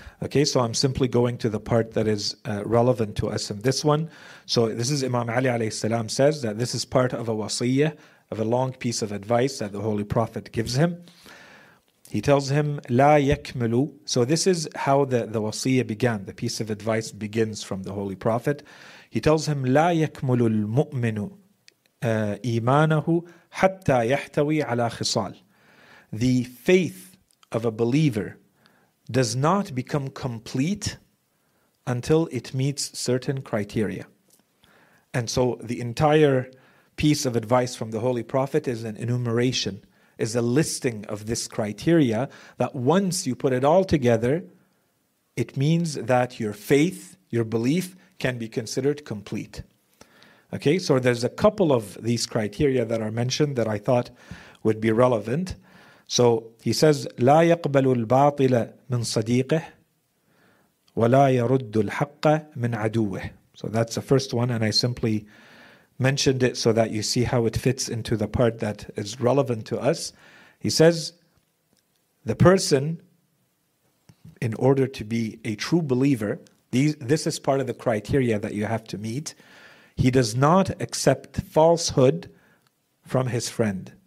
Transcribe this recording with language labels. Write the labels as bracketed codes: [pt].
[en] Okay, so I'm simply going to the part that is relevant to us in this one. So this is Imam Ali alayhi salam says that this is part of a wasiyyah, of a long piece of advice that the Holy Prophet gives him. He tells him, [ar] لا يكملوا. [en] So this is how the wasiyyah began. The piece of advice begins from the Holy Prophet. He tells him, [ar] لا يكمل المؤمن إيمانه حتى يحتوي على خصال. [en] The faith of a believer does not become complete until it meets certain criteria. And so the entire piece of advice from the Holy Prophet is an enumeration, is a listing of this criteria, that once you put it all together, it means that your faith, your belief, can be considered complete. Okay, so there's a couple of these criteria that are mentioned that I thought would be relevant. [ar] So he says, لا يقبل الباطل من صديقه ولا يرد الحق من عدوه. [en] So that's the first one, and I simply mentioned it so that you see how it fits into the part that is relevant to us. He says, the person, in order to be a true believer, this is part of the criteria that you have to meet, he does not accept falsehood from his friend.